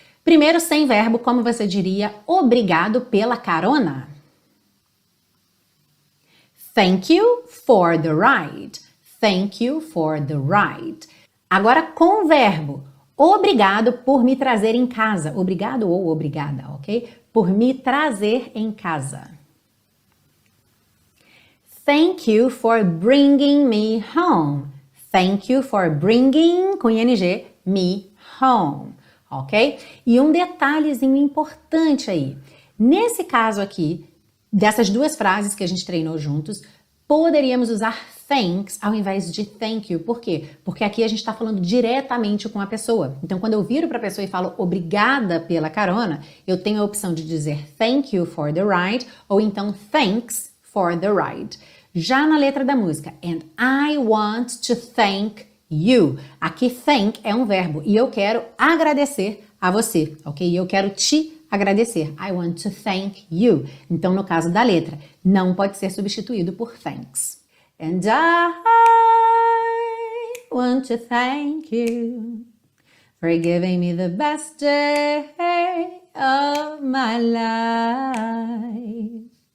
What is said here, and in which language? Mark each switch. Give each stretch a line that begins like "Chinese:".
Portuguese: Primeiro, sem verbo, como você diria obrigado pela carona?
English: Thank you for the ride. Thank you for the ride.
Portuguese: Agora com o verbo. Obrigado por me trazer em casa. Obrigado ou obrigada, ok? Por me trazer em casa.
English: Thank you for bringing me home. Thank you for bringing, com ing, me home, ok?
Portuguese: E um detalhezinho importante aí. Nesse caso aqui, dessas duas frases que a gente treinou juntos, poderíamos usar thanks ao invés de thank you. Por quê? Porque aqui a gente está falando diretamente com a pessoa. Então, quando eu viro para a pessoa e falo obrigada pela carona, eu tenho a opção de dizer
English: thank you for the ride
Portuguese: ou então
English: thanks for the ride.
Portuguese: Já na letra da música,
English: and I want to thank you.
Portuguese: Aqui thank é um verbo e eu quero agradecer a você, ok? E eu quero te agradecer.
English: I want to thank you.
Portuguese: Então, no caso da letra, não pode ser substituído por thanks.
English: And I want to thank you for giving me the best day of my life.